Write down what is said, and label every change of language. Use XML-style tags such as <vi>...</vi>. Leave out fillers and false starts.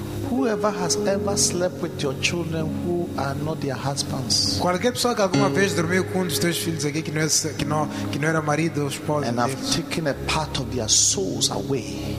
<en>Whoever has ever slept with your children who are not their husbands.</en> <pt>Qualquer pessoa que alguma vez dormiu com um dos teus filhos aqui que não era marido ou esposa.</pt> <en>And have taken a part of their souls away.</en>